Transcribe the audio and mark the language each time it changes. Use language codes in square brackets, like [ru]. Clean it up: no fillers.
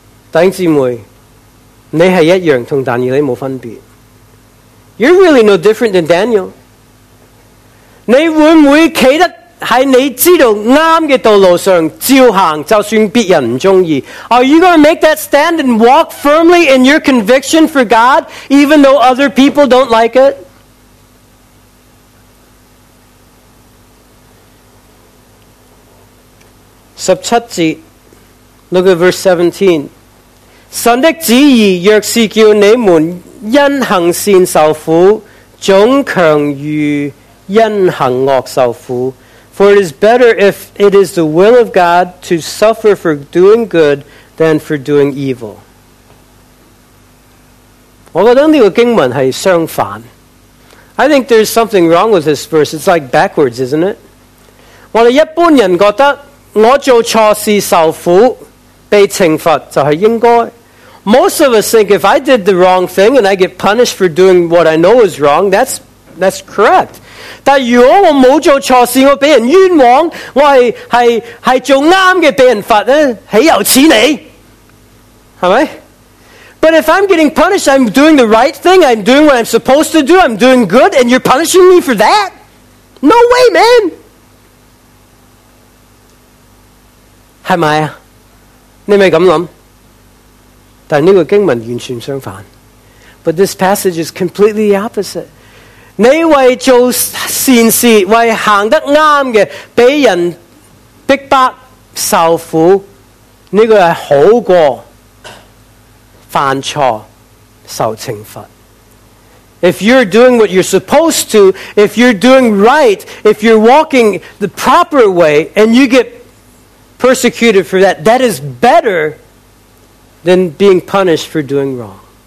[zh] 弟兄姊妹，你是一样跟但以理没分别。 [en] You're really no different than Daniel. [zh] 你会不会站得在你知道啱的道路上照行，就算别人不喜意？ [en] Are you going to make that stand and walk firmly in your conviction for God, even though other people don't like it? [zh] 十七节， [en] Look at verse 17. [zh] 神的旨意若是叫你们因行善受苦, 总强于因行恶受苦. [en] For it is better if it is the will of God to suffer for doing good than for doing evil. [zh] 我觉得这个经文是相反. [en] I think there's something wrong with this verse. It's like backwards, isn't it? [zh] 我们一般人觉得我做错事受苦, 被惩罚就是应该. [en] Most of us think if I did the wrong thing and I get punished for doing what I know is wrong, that's correct. [zh] 但如果我没做错事,我被人冤枉, 我是做对的被人罚, 岂有此理? 是吧? [en] But if I'm getting punished, I'm doing the right thing, I'm doing what I'm supposed to do, I'm doing good, and you're punishing me for that? No way, man! [zh] 是吧?你没这么想?但这个经文完全相反. [en] But this passage is completely the opposite. [zh] 你为做善事, 为行得对的, 被人逼迫受苦, 这个是好过 犯错受惩罚. [en] If you're doing what you're supposed to, if you're doing right, if you're walking the proper way, and you get persecuted for that, that is better than being punished for doing wrong.